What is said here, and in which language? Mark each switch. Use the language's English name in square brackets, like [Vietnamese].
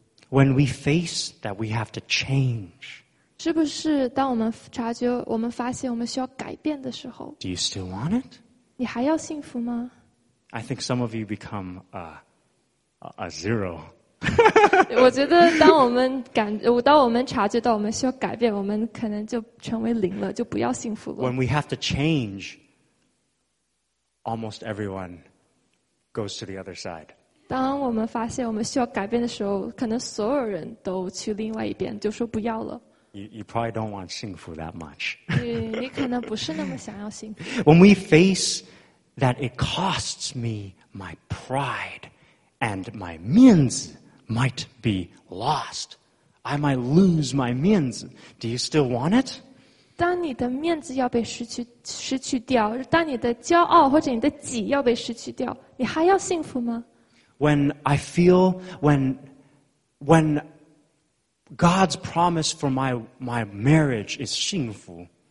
[English] When we face that we have to change, [Chinese] 是不是当我们察觉我们发现我们需要改变的时候， [English] Do you still want it? [Chinese] 你还要幸福吗？ [English] I think some of you become a zero. [Chinese] 我觉得当我们感，当我们察觉到我们需要改变，我们可能就成为零了，就不要幸福了。 [English] When we have to change, almost everyone goes to the other side. [Chinese] 当我们发现我们需要改变的时候，可能所有人都去另外一边，就说不要了。 [English] You probably don't want 幸福 that much. [Chinese] 你可能不是那么想要幸福。 [English] When we face that it costs me my pride and my 面子 might be lost, I might lose my 面子. Do you still want it? [Chinese] 当你的面子要被失去掉，当你的骄傲或者你的己要被失去掉，你还要幸福吗？ [English] When I feel when God's promise for my marriage is 幸福。